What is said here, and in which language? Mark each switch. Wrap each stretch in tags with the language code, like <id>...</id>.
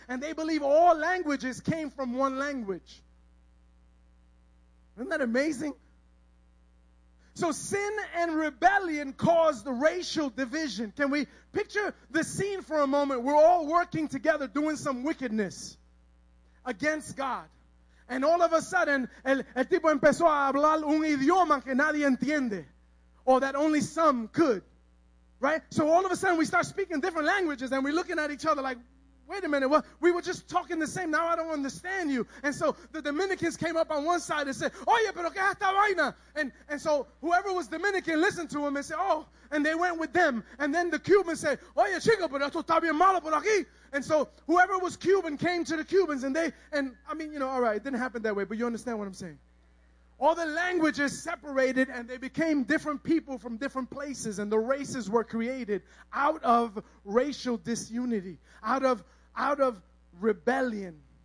<en>And they believe all languages came from one language. Isn't that amazing? So sin and rebellion caused racial division. Can we picture the scene for a moment? We're all working together doing some wickedness against God. And all of a sudden,</en> <es>el tipo empezó a hablar un idioma que nadie entiende.</es> <en>Or that only some could. Right? So all of a sudden we start speaking different languages and we're looking at each other like, wait a minute, we were just talking the same. Now I don't understand you. And so the Dominicans came up on one side and said,</en> <es>oye, pero que esta vaina?</es> <en>And so whoever was Dominican listened to him and said, oh, and they went with them. And then the Cubans said,</en> <es>oye, chico, pero esto está bien malo por aquí.</es> <en>And so whoever was Cuban came to the Cubans it didn't happen that way, but you understand what I'm saying. All the languages separated and they became different people from different places, and the races were created out of racial disunity, out of rebellion.</en>